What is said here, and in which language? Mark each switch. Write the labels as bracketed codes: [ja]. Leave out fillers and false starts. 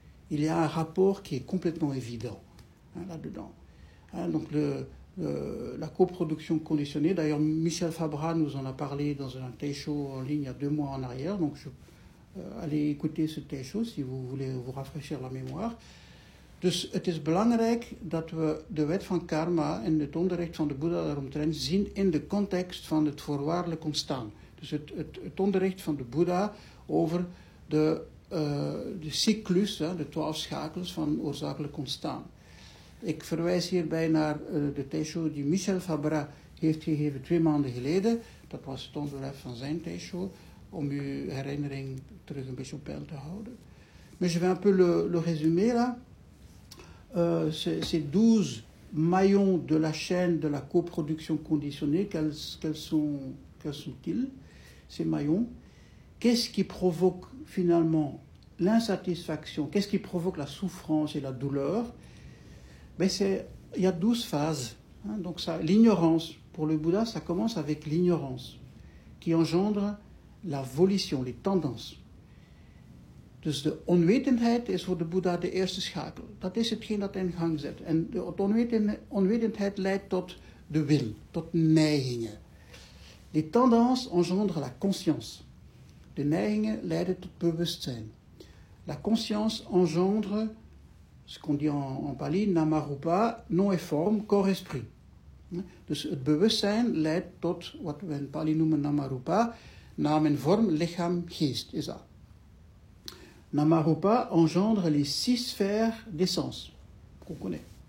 [fr] Il y a un rapport qui est complètement évident là-dedans. Donc la coproduction conditionnée, d'ailleurs Michel Fabra nous en a parlé dans un Taisho en ligne il y a 2 mois en arrière, donc allez écouter ce Taisho si vous voulez vous rafraîchir la mémoire. [nl] Dus het is belangrijk dat we de wet van karma en het onderricht van de Bouddha daaromtrent zien in de context van het voorwaardelijk ontstaan. Dus het onderricht van de Bouddha over de cyclus, de 12 schakels van oorzakelijk ontstaan. Ik verwijs hierbij naar de Taisho die Michel Fabra heeft gegeven 2 maanden geleden. Dat was het onderwerp van zijn Taisho, om uw herinnering terug een beetje op peil te houden. [fr] Maar je vais un peu le résumer là. Ces 12 maillons de la chaîne de la coproduction conditionnée, quels sont-ils, ces maillons? Qu'est-ce qui provoque finalement l'insatisfaction? Qu'est-ce qui provoque la souffrance et la douleur? Il y a 12 phases. Donc ça, l'ignorance, pour le Bouddha, ça commence avec l'ignorance qui engendre la volition, les tendances. [nl] Dus de onwetendheid is voor de Bouddha de eerste schakel. Dat is hetgeen dat in gang zet. En de onwetendheid leidt tot de wil, tot neigingen. [fr] Les tendances engendrent la conscience. [nl] De neigingen leiden tot bewustzijn. [fr] La conscience engendre ce qu'on dit en Pali, namarupa, nom et forme, corps esprit. [nl] Dus het bewustzijn leidt tot wat we in Pali noemen namarupa, naam en vorm, lichaam, geest, is dat. [fr] Namarupa engendre les 6 sphères d'essence, qu'on connaît.